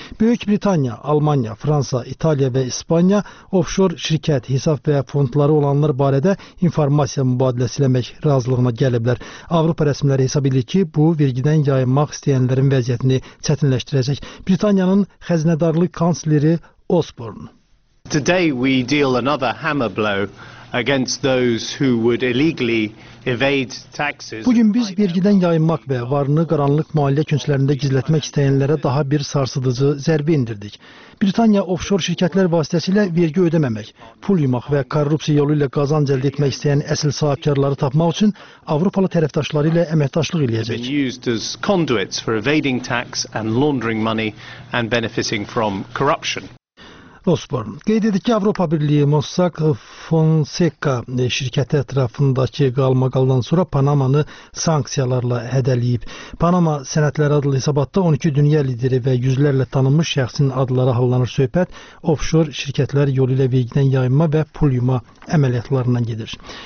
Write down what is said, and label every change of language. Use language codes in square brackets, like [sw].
[az] Böyük Britaniya, Almanya, Fransa, İtaliya və İspanya offshore şirkət, hesab və fondları olanlar barədə informasiya mübadiləsi eləmək razılığına gəliblər. Avropa rəsmiləri hesab edir ki, bu vergidən yayınmaq istəyənlərin vəziyyətini çətinləşdirəcək. Britaniyanın xəzinədarlıq kansleri Osborne. [en] Today we deal another hammer blow against those who would illegally evade taxes. [az] Bugün biz vergidən yayınmaq və varını qaranlıq maliyyə künclərində gizlətmək istəyənlərə daha bir sarsıdıcı zərbə endirdik. Britaniya offshore şirkətlər vasitəsilə vergi ödəməmək, pul yumaq və korrupsiya yolu ilə qazanc əldə etmək istəyən əsl sahibkarları tapmaq üçün Avropalı tərəfdaşları ilə əməkdaşlıq eləyəcək. [en] Conduits for evading tax and laundering money and benefiting from corruption. [az] Osborne. Qeyd edir ki, Avropa Birliyi Mossack Fonseca şirkəti ətrafındakı qalmaqaldan sonra Panamanı sanksiyalarla hədələyib. Panama sənədləri adlı hesabatda 12 dünya lideri və yüzlərlə tanınmış şəxsin adları hallanır söhbət, offshore şirkətlər yolu ilə vergidən yayınma və pul yuma əməliyyatlarından gedir.